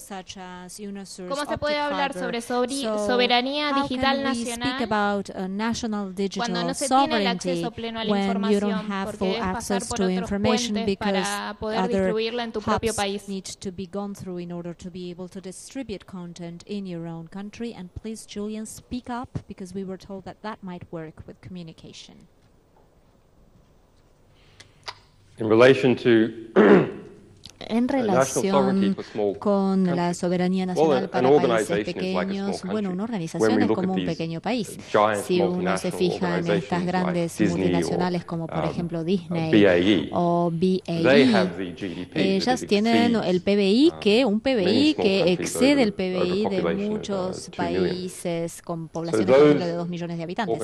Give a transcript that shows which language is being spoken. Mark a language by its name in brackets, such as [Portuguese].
[English] Such as Unasur? [Spanish] ¿Cómo se puede hablar sobre soberanía digital nacional digital cuando no se tiene el acceso pleno a la información? Porque debes pasar por otros puentes para poder distribuirla en tu propio país. [English] Need to be gone through in order to be able to distribute content in your own country. And please, Julian, speak up because we were told that that might work with communication. In relation to [Spanish] en relación con la soberanía nacional para países pequeños, bueno, una organización es como un pequeño país. Si uno se fija en estas grandes multinacionales como por ejemplo Disney o BAE, ellas tienen el PBI, que un PBI que excede el PBI de muchos países con poblaciones de 2 millones de habitantes.